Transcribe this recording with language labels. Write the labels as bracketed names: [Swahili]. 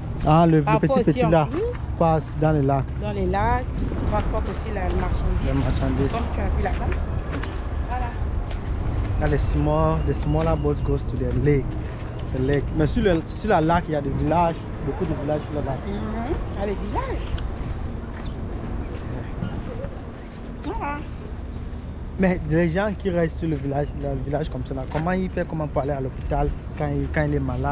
[French] Ah, le petit petit là passe dans les lacs. Dans les lacs, il transporte aussi la marchandise. La marchandise. Comme tu as vu là-bas. Voilà. [English] Là, the smaller boat goes to the lake. [French] Mais sur la lac, il y a des villages, beaucoup de villages là-bas. Mm-hmm. Ah, les villages. Voilà. Mais les gens qui restent sur le village comme cela, comment ils font, comment pour aller à l'hôpital quand il est malade?